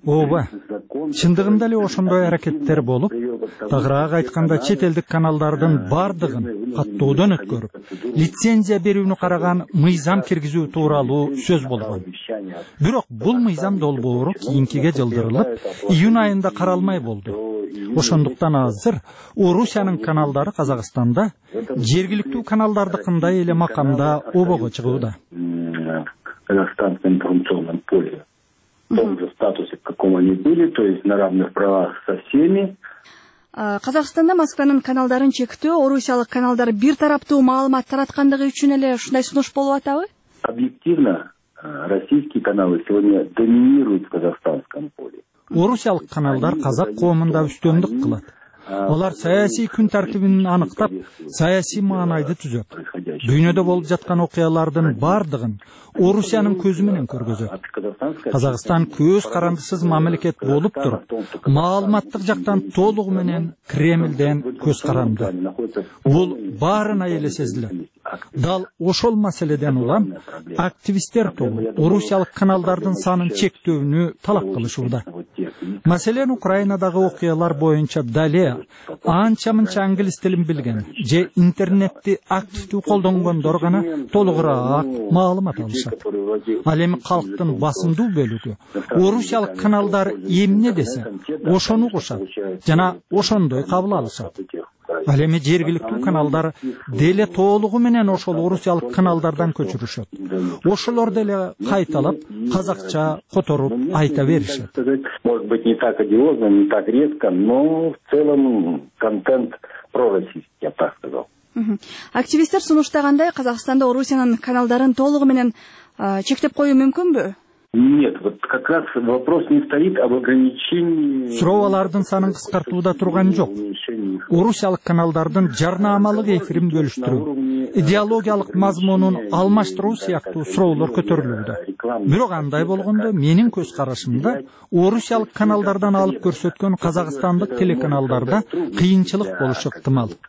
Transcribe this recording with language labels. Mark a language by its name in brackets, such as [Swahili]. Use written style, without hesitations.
[Kyrgyz] Ооба, чындыгында эле ошондой аракеттер болуп, тагыраак айтканда чет элдик каналдардын бардыгын каттоодон өткөрүп, лицензия берүүнү караган мыйзам киргизүү тууралуу сөз болгон. Бирок бул мыйзам долбоору кийинкиге жылдырылып, июнь айында каралмай болду. Ошондуктан азыр Орусиянын каналдары Казакстанда жергиликтүү каналдардыкындай эле макамда обого чыгууда. [Russian] Казахстан в информационном поле в том же статусе, в каком они были, то есть на равных правах со всеми. [Kyrgyz] Казахстанда Москванын каналдарын чектөө орусиялык каналдар бир тараптуу маалымат тараткандыгы үчүн эле ушундай сунуш болуп атабы? [Russian] Объективно российские каналы сегодня доминируют в казахстанском поле. [Kyrgyz] Орусиялык каналдар казак коомунда үстөмдүк кылат. Алар саясий күн тартибин аныктап, саясий маанайды түзөт. Дүйнөдө болуп жаткан окуялардын бардыгын Орусиянын көзү менен көргөзөт. Казакстан көз карандысыз мамлекет болуп туруп, маалыматтык жактан толугу менен Кремлден көз каранды. Бул баарына эле сезилет. Дал ошол маселеден улам активисттер тобу орусиялык каналдардын санын чектөөнү талап кылышууда. Маселен, Украинадагы окуялар боюнча дале анча мынча англис тилин билген же интернетти активдүү колдонгондор гана толугураак маалымат алышат. Ал эми калктын басымдуу бөлүгү орусиялык каналдар эмне десе ошону кошот жана ошондой кабыл алышат. Ал эми жергиликтүү каналдар деле толугу менен ошол орусиялык каналдардан көчүрүшөт. Ошолор деле кайталап казакча которуп айта беришет. [Russian] Может быть не так одиозно, не так резко, но в целом контент пророссийский, я так сказал. [Kyrgyz] Активисттер сунуштагандай Казакстанда Орусиянын каналдарын толугу менен чектеп коюу мүмкүнбү? [Russian] Нет, вот как раз вопрос не стоит об ограничении. [Kyrgyz] Суроолардын санын кыскартууда турган жок. Орусиялык каналдардын жарнамалык эфирин бөлүштүрүү, идеологиялык мазмунун алмаштыруу сыяктуу суроолор көтөрүлүүдө. Бирок андай болгондо менин көз карашымда орусиялык каналдардан алып көрсөткөн казакстандык телеканалдарда кыйынчылык болушу ыктымал.